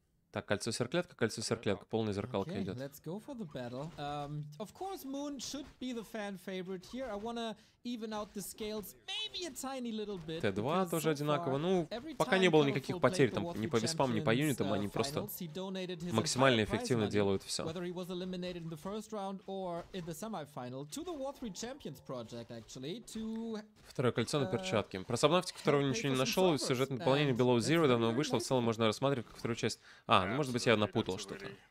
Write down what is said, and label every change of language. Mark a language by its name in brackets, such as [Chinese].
[Russian] Так, кольцо-серклетка, полная зеркалка идет. [English] Let's go for the battle. Of course, Moon should be the fan favorite here. I wanna even out the scales maybe a tiny little bit. [Russian] Т2 тоже одинаково. Ну, пока не было никаких потерь там, ни по виспам, ни по юнитам, они просто максимально эффективно делают все. [English] Whether he was eliminated in the first round or in the semifinal to the War 3 Champions project, actually, to... [Russian] Второе кольцо на перчатке. Про Сабнафтику второго ничего не нашел. Сюжетное дополнение Below Zero давно вышло, в целом можно рассматривать как вторую часть. А, ну, может быть, я напутал что-то.